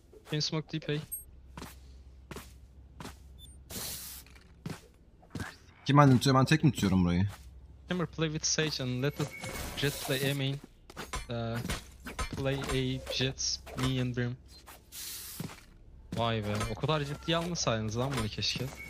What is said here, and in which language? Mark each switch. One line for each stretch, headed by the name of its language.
English: Can smoke deep, hey.
Turkish: Kim annen tutuyor, ben tek mi tutuyorum burayı?
English: Hammer, play with Sage and let the Jet play A main. Play A, Jets, me and Brim.
Turkish: Vay be, o kadar ciddiye almasaydınız lan bunu keşke.